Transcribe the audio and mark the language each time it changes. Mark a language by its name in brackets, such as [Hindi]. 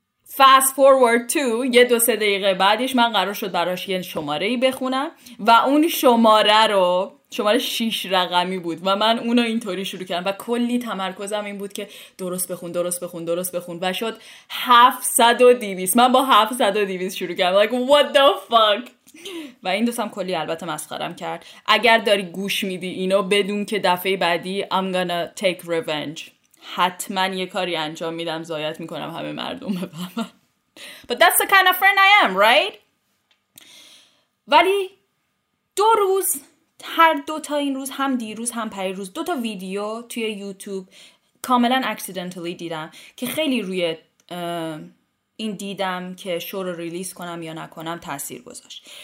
[English] fast forward to [Persian] 2-3 دقیقه بعدش من قرار شد براش یه شماره ای بخونم و اون شماره رو، شماره 6 رقمی بود و من اونو اینطوری شروع کردم و کلی تمرکزم این بود که درست بخون و شد 720. من با 720 شروع کردم، [English] like what the fuck. [Persian] و این دوستم کلی البته مسخرم کرد. اگر داری گوش میدی اینو، بدون که دفعه بعدی [English] I'm gonna take revenge، [Persian] حتما یه کاری انجام میدم، زایت میکنم همه مردم بفهمن. [English] But that's the kind of friend I am, right? [Persian] ولی 2 روز، هر دوتا این روز، هم دیروز هم پریروز، 2 تا ویدیو توی یوتیوب کاملا اکسیدنتلی دیدم که خیلی روی این دیدم که شو رو ریلیز کنم یا نکنم تاثیر گذاشت.